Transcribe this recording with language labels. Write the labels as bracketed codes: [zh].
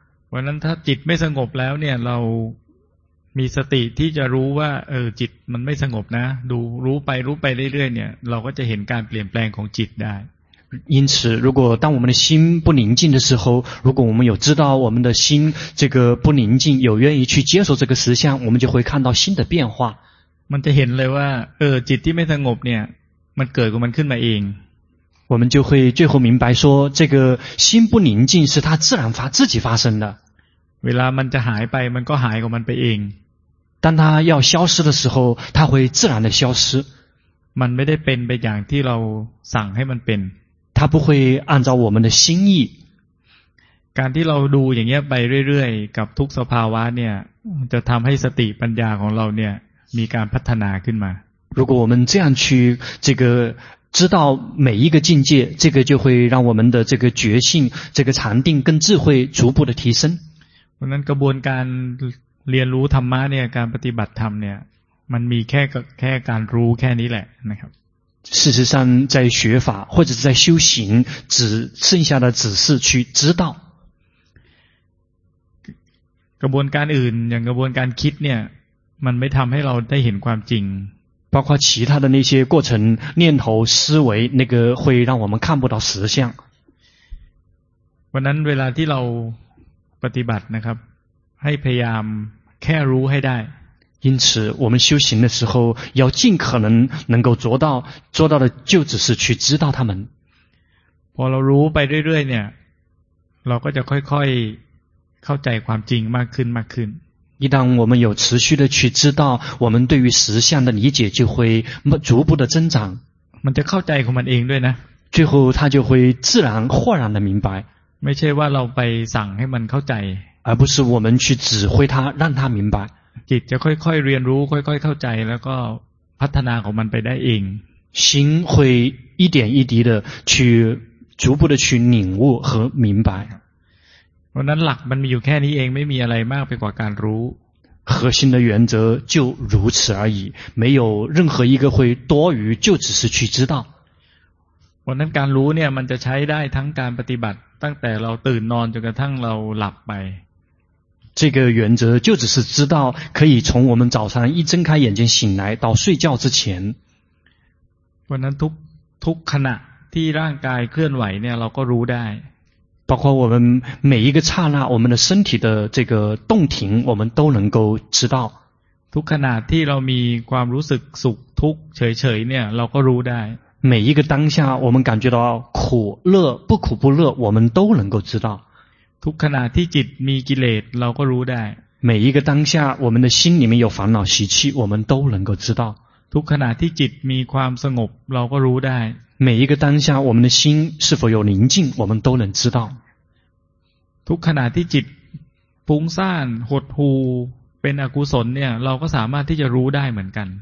[th] เพราะนั้นถ้าจิตไม่สงบแล้วเนี่ยเรามีสติที่จะรู้ว่าจิตมันไม่สงบนะดูรู้ไปเรื่อยๆเนี่ยเราก็จะเห็นการเปลี่ยนแปลงของจิตได้ [zh] 因此如果当我们的心不宁静的时候如果我们有知道我们的心这个不宁静有愿意去接受这个实相我们就会看到心的变化 [th] มันจะเห็นเลยว่าจิตที่ไม่สงบเนี่ยมันเกิดของมันขึ้นมาเอง [zh] 我们就会最后明白说这个心不宁静是它自己发生的 [th] เวลามันจะหายไปมันก็หายของมันไปเอง [zh] 当它要消失的时候它会自然的消失 [th] มันไม่ได้เป็นไปอย่างที่เราสั่งให้มันเป็น [zh] 它不会按照我们的心意 [th] การที่เราดูอย่างเงี้ยไปเรื่อยๆกับทุกสภาวะเนี่ยจะทำให้สติปัญญาของเราเนี่ยมีการพัฒนาขึ้นมา [zh] 如果我们这样去这个知道每一个境界这个就会让我们的这个觉性这个禅定跟智慧逐步的提升 [th] เพราะนั้นกระบวนการเรียนรู้ธรรมะเนี่ยการปฏิบัติธรรมเนี่ยมันมีแค่การรู้แค่นี้แหละนะครับ [zh] 事实上在学法或者在修行只剩下的只是去知道 [th] กระบวนการอื่นอย่างกระบวนการคิดเนี่ยมันไม่ทำให้เราได้เห็นความจริง [zh] 包括其他的那些过程念头思维那个会让我们看不到实相 [th] วันนั้นเวลาที่เราปฏิบัตินะครับให้พยายามแค่รู้ให้ได้ [zh] 因此我们修行的时候要尽可能能够做到的就只是去知道他们 [th] พอเรารู้ไปเรื่อยๆเนี่ยเราก็จะค่อยๆเข้าใจความจริงมากขึ้น [zh] 一旦我们有持续的去知道我们对于实相的理解就会逐步的增长 [th] มันจะเข้าใจของมันเองด้วยนะ [zh] 最后他就会自然豁然的明白 [th] ใช่ว่าเราไปสั่งให้มันเข้าใจ [zh] 而不是我们去指挥它让它明白 [th] จิตจะค่อยๆเรียนรู้ค่อยๆเข้าใจแล้วก็พัฒนาของมันไปได้เอง [zh] 心会一点一滴的去逐步的去领悟和明白 [th] เพราะนั้นหลักมันมีอยู่แค่นี้เองไม่มีอะไรมากไปกว่าการรู้ [zh] 核心的原则就如此而已，没有任何一个会多余，就只是去知道。我那 [th] การรู้เนี่ยมันจะใช้ได้ทั้งการปฏิบัติตั้งแต่เราตื่นนอนจนกระทั่งเราหลับไป。 [zh] 这个原则就只是知道，可以从我们早上一睁开眼睛醒来到睡觉之前。我那 [th] ทุกขณะที่ร่างกายเคลื่อนไหวเนี่ยเราก็รู้ได้ [zh] 包括我们每一个刹那我们的身体的这个动停我们都能够知道 [th] ทุกขณะที่เรามีความรู้สึกสุขทุกข์เฉยๆเนี่ยเราก็รู้ได้ [zh] 每一个当下我们感觉到苦乐不苦不乐我们都能够知道 [th] ทุกขณะที่จิตมีกิเลสเราก็รู้ได้ [zh] 每一个当下我们的心里面有烦恼习气我们都能够知道 [th] ทุกขณะที่จิตมีความสงบเราก็รู้ได้ [zh] 每一个当下我们的心是否有宁静我们都能知道 [th] ทุกขณะที่จิตฟุ้งซ่านหดหูเป็นอกุศลเนี่ยเราก็สามารถที่จะรู้ได้เหมือนกัน